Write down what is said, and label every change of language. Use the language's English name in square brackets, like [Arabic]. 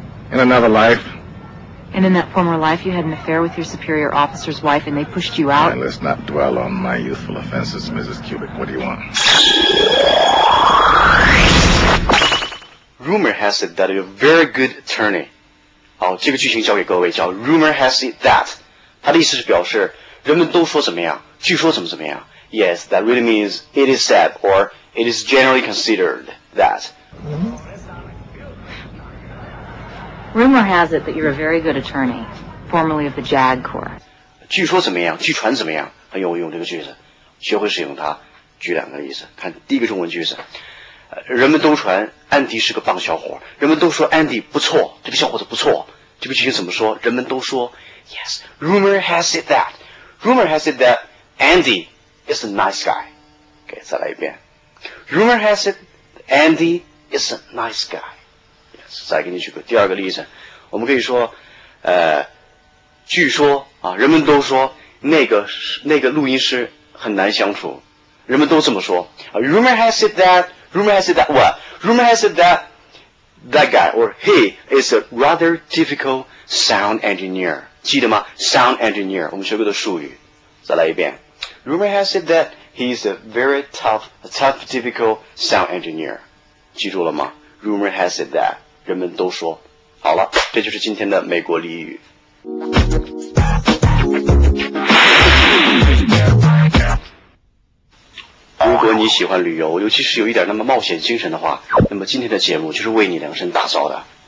[English] In another life. And in that former life, you had an affair with your superior officer's wife and they pushed you out? Right, let's not dwell on my youthful offenses, Mrs. Kubik. What do you want? Rumor has it that you're a very good attorney. [Chinese] 好，这个句型教给各位叫 [English] Rumor has it that， [Chinese] 它的意思是表示人们都说怎么样，据说怎么怎么样。 [English] Yes, that really means it is said or it is generally considered that.、 Mm-hmm. Rumor has it that you're a very good attorney, formerly of the JAG Corps. [Chinese] 据说怎么样，据传怎么样，很有用这个句子，学会使用它，举两个例子，看第一个中文句子。人们都传安迪是个棒小伙，人们都说安迪不错，这个小伙子不错。这个句型怎么说？人们都说 [English] ，Yes, rumor has it that, rumor has it that Andy is a nice guy. Okay, [Chinese] 再来一遍。 [English] Rumor has it Andy is a nice guy. [Chinese] Yes, 再给你举个第二个例子，我们可以说，据说啊，人们都说那个录音师很难相处，人们都这么说。 [English] Rumor has it that. Rumor has it that what? Rumor has it that that guy or he is a rather difficult sound engineer. [Chinese] 记得吗?Sound engineer. 我们学过的术语。再来一遍。 [English] Rumor has it that he is a very tough, difficult sound engineer. [Chinese] 记住了吗? [English] Rumor has it that. [Chinese] 人们都说。好了，这就是今天的美国俚语。如果你喜欢旅游，尤其是有一点那么冒险精神的话，那么今天的节目就是为你量身打造的。